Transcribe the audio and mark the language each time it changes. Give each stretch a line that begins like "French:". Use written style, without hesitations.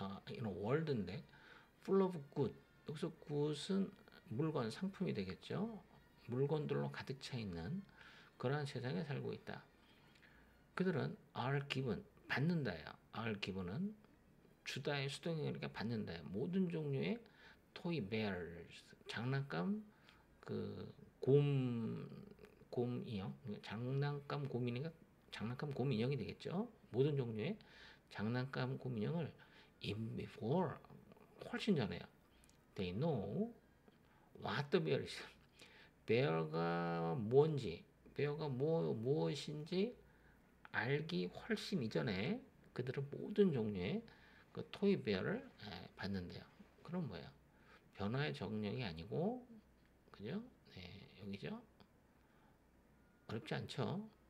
English: in a world인데, full of good.
Korean: 여기서 good은 물건, 상품이 되겠죠. 물건들로 가득 차 있는 그러한 세상에 살고 있다. 그들은
English: are given,
Korean: 받는다예요. are given은 주다의 수동형이니까 받는다예요. 모든 종류의 토이 베어스, 장난감, 그 곰 인형, 장난감 곰 인형이 되겠죠. 모든 종류의 장난감 곰 인형을
English: in before,
Korean: 훨씬 전에요.
English: They know what the bear is.
Korean: 베어가 뭔지, 베어가 무엇인지 알기 훨씬 이전에 그들은 모든 종류의 그 토이 베어를 받는데요. 그럼 뭐예요? 변화의 적응력이 아니고, 그죠? 네, 여기죠? 어렵지 않죠?